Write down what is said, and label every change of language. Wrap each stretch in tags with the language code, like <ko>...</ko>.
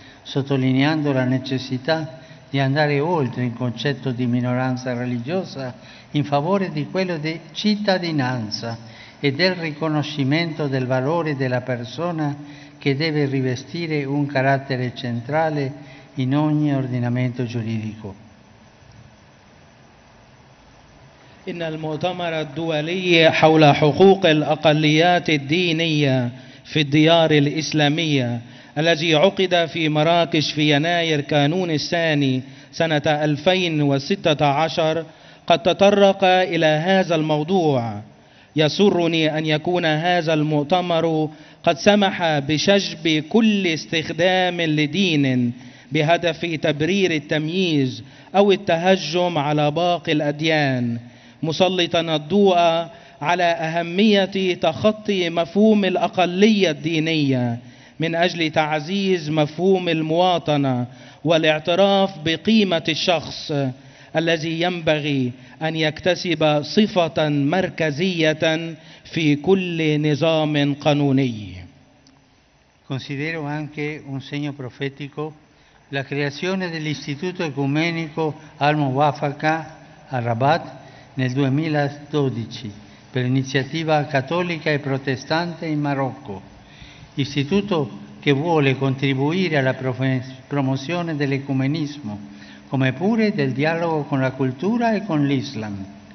<it>sottolineando la necessità di andare oltre il concetto di minoranza religiosa in favore di quello di cittadinanza e del riconoscimento del valore della persona che deve rivestire un carattere centrale in ogni ordinamento giuridico.</it> <ar>إن المؤتمر الدولي حول حقوق الأقليات الدينية في الديار الإسلامية الذي عقد في مراكش في يناير كانون الثاني سنة 2016 قد تطرق إلى هذا الموضوع. يسرني أن يكون هذا المؤتمر قد سمح بشجب كل استخدام لدين بهدف تبرير التمييز أو التهجم على باقي الأديان، مسلطا الضوء على أهمية تخطي مفهوم الأقلية الدينية من أجل تعزيز مفهوم المواطنة والاعتراف بقيمة الشخص الذي ينبغي أن يكتسب صفة مركزية في كل نظام قانوني.</ar> <it>Considero anche un segno profetico la creazione dell'Istituto Ecumenico Al-Muwafaqa a Rabat nel 2012 per iniziativa cattolica e protestante in Marocco, istituto che vuole contribuire alla promozione dell'ecumenismo, come pure del dialogo con la cultura e con l'Islam.</it>